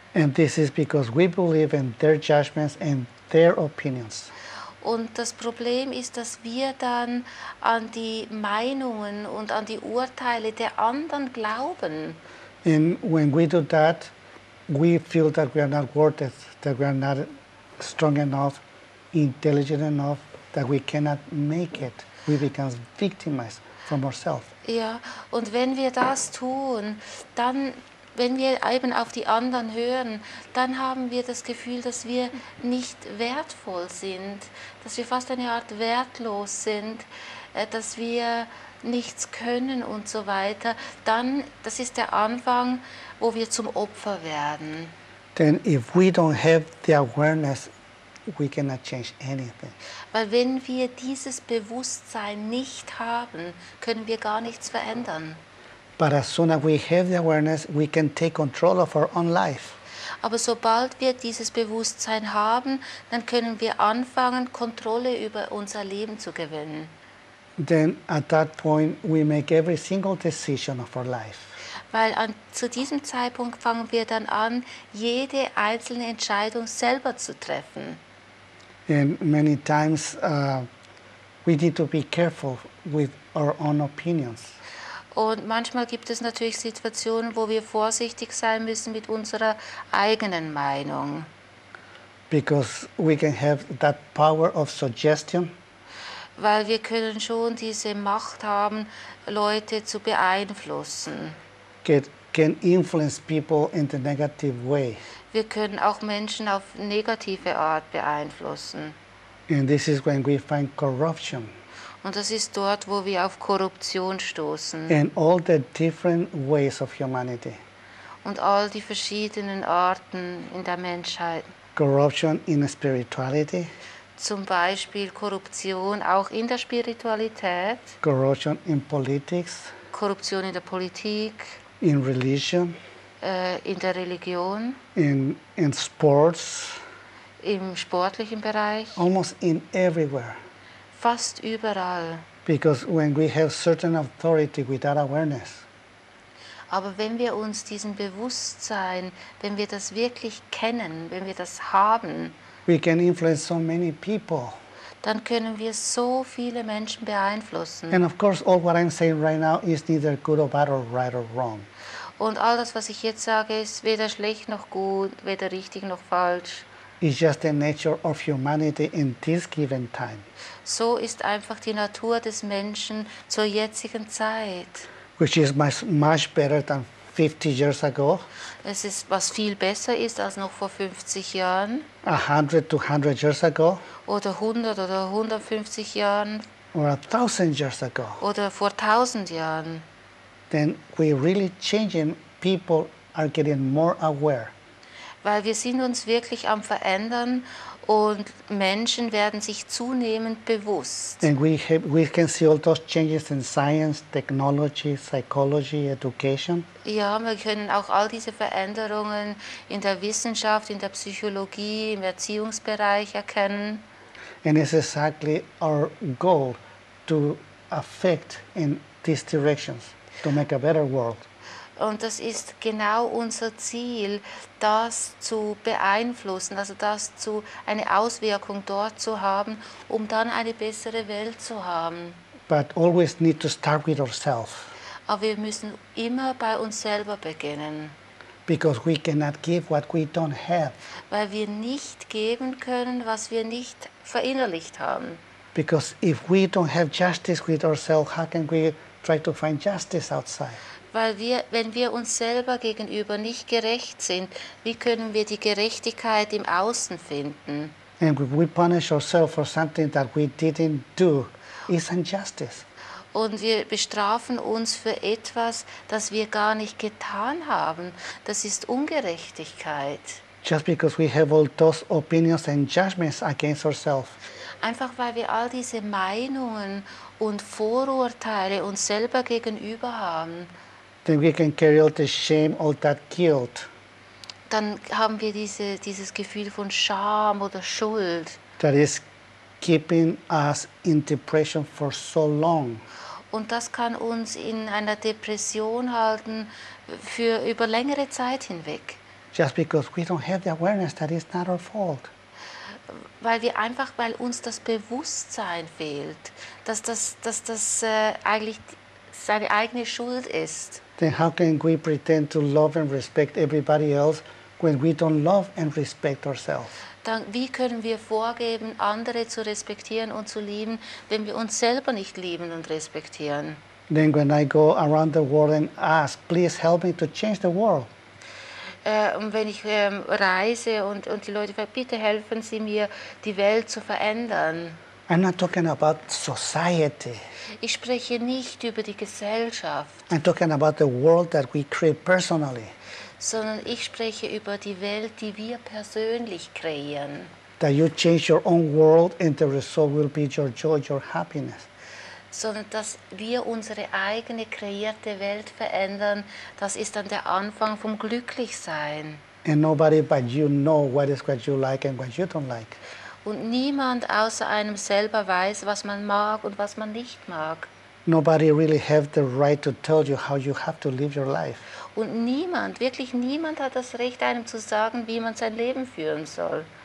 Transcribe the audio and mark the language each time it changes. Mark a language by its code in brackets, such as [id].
[en] And this is because we believe in their judgments and their opinions. [de] Und das Problem ist, dass wir dann an die Meinungen und an die Urteile der anderen glauben. [en] And when we do that, we feel that we are not worth it, that we are not strong enough, intelligent enough, that we cannot make it. We become victimized from ourselves. [de] Ja, und wenn wir das tun, dann, wenn wir eben auf die anderen hören, dann haben wir das Gefühl, dass wir nicht wertvoll sind, dass wir fast eine Art wertlos sind, dass wir nichts können und so weiter. Dann, das ist der Anfang, wo wir zum Opfer werden. [en] Then if we don't have the awareness, we cannot change anything. [de] Weil wenn wir dieses Bewusstsein nicht haben, können wir gar nichts verändern. [en] But as soon as we have the awareness, we can take control of our own life. [de] Aber sobald wir dieses Bewusstsein haben, dann können wir anfangen, Kontrolle über unser Leben zu gewinnen. [en] Then at that point we make every single decision of our life. [de] Weil zu diesem Zeitpunkt fangen wir dann an, jede einzelne Entscheidung selber zu treffen. [en] And many times we need to be careful with our own opinions. [de] Und manchmal gibt es natürlich Situationen, wo wir vorsichtig sein müssen mit unserer eigenen Meinung. [en] Because we can have that power of suggestion. [de] Weil wir können schon diese Macht haben, Leute zu beeinflussen. [en] Can influence people in the negative way. [de] Wir können auch Menschen auf negative Art beeinflussen. [en] And this is when we find corruption. [de] Und das ist dort, wo wir auf Korruption stoßen. [en] And all the different ways of humanity. [de] Und all die verschiedenen Arten in der Menschheit. [en] Corruption in spirituality. [de] Zum Beispiel Korruption auch in der Spiritualität. [en] Corruption in politics. [de] Korruption in der Politik. [en] In religion. [de] In der Religion. [en] In sports. [de] Im sportlichen Bereich. [en] Almost in everywhere. [de] Fast überall. [en] Because when we have certain authority without awareness. [de] Aber wenn wir uns diesem Bewusstsein, wenn wir das wirklich kennen, wenn wir das haben, [en] we can influence so many people. [de] Dann können wir so viele Menschen beeinflussen. [en] And of course, all what I'm saying right now is neither good or bad or right or wrong. [de] Und all das, was ich jetzt sage, ist weder schlecht noch gut, weder richtig noch falsch. [en] It's just the nature of humanity in this given time. [de] So ist einfach die Natur des Menschen zur jetzigen Zeit. [en] Which is much, much better than 50 years ago. [de] Es ist, was viel besser ist als noch vor 50 Jahren. [en] 100 to 200 years ago. [de] Oder 100 oder 150 Jahren. [en] Or 1000 years ago. [de] Oder vor 1000 Jahren. [en] Then we really changing. People are getting more aware. [de] weil wir sind uns wirklich am Verändern und Menschen werden sich zunehmend bewusst. [en] And we can see all those changes in science, technology, psychology, education. [de] Ja, wir können auch all diese Veränderungen in der Wissenschaft, in der Psychologie, im Erziehungsbereich erkennen. [en] And it's exactly our goal to affect in these directions, to make a better world. [de] Und das ist genau unser Ziel, das zu beeinflussen, also das zu eine Auswirkung dort zu haben, um dann eine bessere Welt zu haben. [en] But always need to start with ourselves. [de] Aber wir müssen immer bei uns selber beginnen. [en] Because we cannot give what we don't have. [de] Weil wir nicht geben können, was wir nicht verinnerlicht haben. [en] Because if we don't have justice with ourselves, how can we try to find justice outside? [de] Weil wir, wenn wir uns selber gegenüber nicht gerecht sind, wie können wir die Gerechtigkeit im Außen finden? [en] And we punish ourselves for something that we didn't do, it's injustice. [de] Und wir bestrafen uns für etwas, das wir gar nicht getan haben. Das ist Ungerechtigkeit. [en] Just because we have all those opinions and judgments against ourselves. [de] Einfach weil wir all diese Meinungen und Vorurteile uns selber gegenüber haben. [en] Then we can carry all the shame, all that guilt. [de] Dann haben wir dieses Gefühl von Scham oder Schuld. [en] That is keeping us in depression for so long. [de] Und das kann uns in einer Depression halten für über längere Zeit hinweg. [en] Just because we don't have the awareness that it's not our fault. [de] Weil uns das Bewusstsein fehlt, dass das eigentlich seine eigene Schuld ist. [en] Then how can we pretend to love and respect everybody else when we don't love and respect ourselves? [de] Dann wie können wir vorgeben, andere zu respektieren und zu lieben, wenn wir uns selber nicht lieben und respektieren? [en] Then when I go around the world and ask, please help me to change the world. [de] Und wenn ich reise und die Leute fragen, bitte helfen Sie mir, die Welt zu verändern. [en] I'm not talking about society. [de] Ich spreche nicht über die Gesellschaft. [en] I'm talking about the world that we create personally. [de] Sondern ich spreche über die Welt, die wir persönlich kreieren. [en] That you change your own world and the result will be your joy, your happiness. [de] Sondern dass wir unsere eigene kreierte Welt verändern, das ist dann der Anfang vom Glücklichsein. [en] And nobody but you know what is what you like and what you don't like. [de] Und niemand außer einem selber weiß, was man mag und was man nicht mag. [en] Nobody really have the right to tell you how you have to live your life. [de] Und niemand, wirklich niemand hat das Recht, einem zu sagen, wie man sein Leben führen soll.